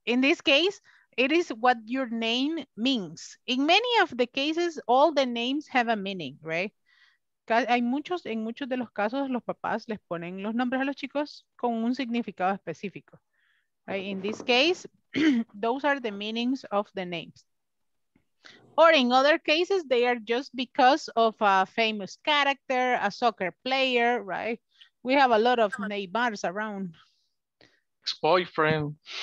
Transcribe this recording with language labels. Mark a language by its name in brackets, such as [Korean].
[English] In this case, it is what your name means. In many of the cases, all the names have a meaning, right? [Spanish] En muchos de los casos, los papás les ponen los nombres a los chicos con un significado específico. [English] Right? In this case, those are the meanings of the names. Or in other cases, they are just because of a famous character, a soccer player, right? We have a lot of Neymars around. Boyfriend.